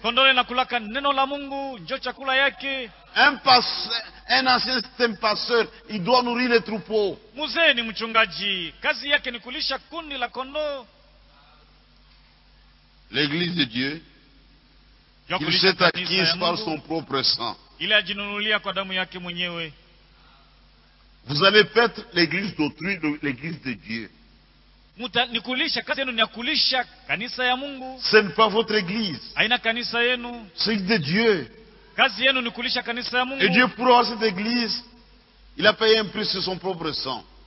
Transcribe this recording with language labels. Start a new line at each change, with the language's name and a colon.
Swahili: Kondolo inakulaka neno la Mungu, njo chakula yake.
French: Un ancien pasteur, il doit nourrir le troupeau.
Swahili: Mzee ni mchungaji. Kazi yake ni kulisha kundi la kondoo.
French: L'église de Dieu. Il s'est acquis par son propre sang.
Swahili: Il a jinunulia kwa damu yake mwenyewe.
French: Vous allez paître l'église d'autrui, l'église de Dieu.
Swahili: Muta ni kulisha kazi yenu ni kulisha kanisa ya Mungu.
French: Ce n'est pas votre église.
Swahili: Aina kanisa yenu.
French: C'est de Dieu.
Swahili: Kazi yenu ni kulisha kanisa ya Mungu.
French: Et Dieu pour avoir cette église, il a payé un prix sur son propre sang.